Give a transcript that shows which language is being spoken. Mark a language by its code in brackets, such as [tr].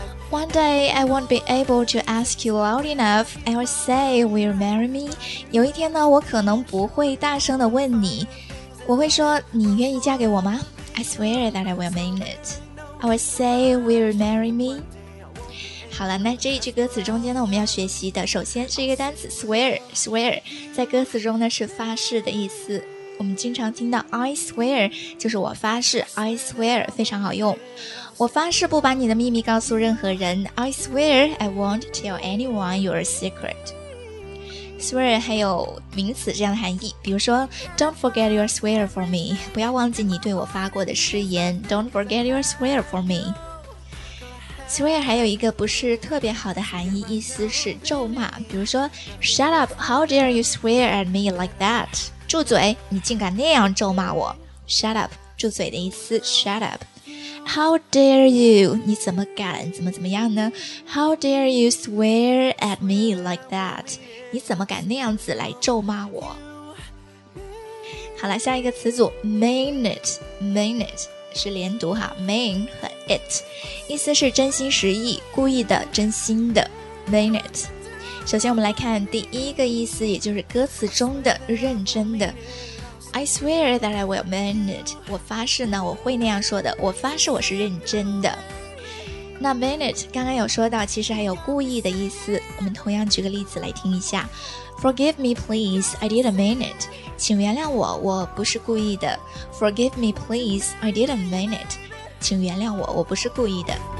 [en] One day I won't be able to ask you loud enough. I'll say, "Will you marry me?" [zh] 有一天呢，我可能不会大声的问你，我会说你愿意嫁给我吗？ [en] I swear that I will mean it. I will say will you marry me? [zh] 好了，那这一句歌词中间呢，我们要学习的首先是一个单词 swear. Swear 在歌词中呢是发誓的意思，我们经常听到 [en] I swear [zh] 就是我发誓， I swear 非常好用。我发誓不把你的秘密告诉任何人， [en] I swear I won't tell anyone your secret. [zh] Swear 还有名词这样的含义，比如说 [en] Don't forget your swear for me， [zh] 不要忘记你对我发过的誓言， Don't forget your swear for me。 Swear 还有一个不是特别好的含义，意思是咒骂，比如说 [en] Shut up, how dare you swear at me like that。 [zh] 住嘴，你竟敢那样咒骂我。 [en] Shut up， [zh] 住嘴的意思。 [en] Shut up， How dare you， [zh] 你怎么敢怎么怎么样呢？ [en] How dare you swear at me like that， [zh] 你怎么敢那样子来咒骂我。好了，下一个词组 mean it， mean it 是连读哈， mean 和 it 意思是真心实意，故意的，真心的， mean it。首先我们来看第一个意思，也就是歌词中的认真的。 [en] I swear that I will mean it， [zh] 我发誓呢我会那样说的，我发誓我是认真的。那 mean it 刚刚有说到其实还有故意的意思，我们同样举个例子来听一下。 [en] Forgive me please, I didn't mean it， [zh] 请原谅我，我不是故意的。 [en] Forgive me please, I didn't mean it， [zh] 请原谅我，我不是故意的。